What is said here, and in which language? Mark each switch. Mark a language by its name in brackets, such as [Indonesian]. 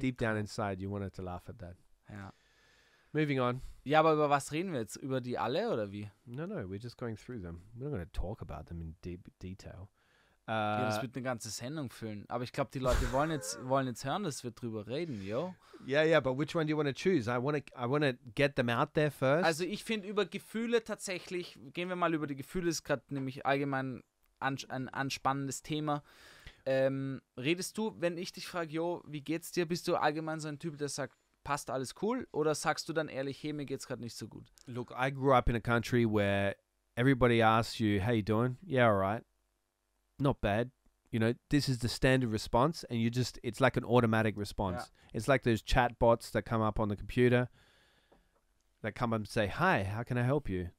[English] Deep down inside, you wanted to laugh at that. [German] Ja. [English] Moving on. [German] Ja, aber über was reden wir jetzt? Über die alle oder wie? [English] No, we're just going through them. We're not going to talk about them in deep detail. [German] Ja, das wird eine ganze Sendung füllen. Aber ich glaube, die Leute wollen jetzt hören, dass wir drüber reden, yo. [English] Yeah, but which one do you want to choose? I want to get them out there first. [German] Also ich finde über Gefühle tatsächlich, gehen wir mal über die Gefühle, ist gerade nämlich allgemein ein anspannendes Thema. Redest du, wenn ich dich frage, yo, wie geht's dir? Bist du allgemein so ein Typ, der sagt, passt alles cool? Oder sagst du dann ehrlich, hey, mir geht's gerade nicht so gut? [English] Look, I grew up in a country where everybody asks you, how you doing? Yeah, all right. Not bad. You know, this is the standard response and you just, it's like an automatic response. Yeah. It's like those chat bots that come up on the computer that come up and say, hi, how can I help you?